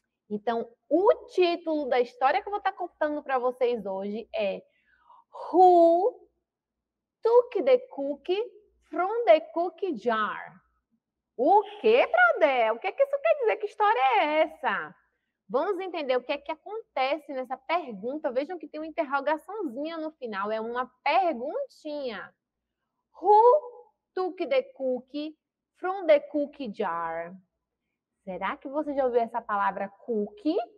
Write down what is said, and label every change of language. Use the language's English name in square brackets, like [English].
[Portuguese] Então, o título da história que eu vou estar contando para vocês hoje é [English] Who took the cookie from the cookie jar? [Portuguese] O quê, Brodé? O que é que isso quer dizer? Que história é essa? Vamos entender o que é que acontece nessa pergunta. Vejam que tem uma interrogaçãozinha no final, é uma perguntinha. [English] Who took the cookie from the cookie jar? [Portuguese] Será que você já ouviu essa palavra cookie?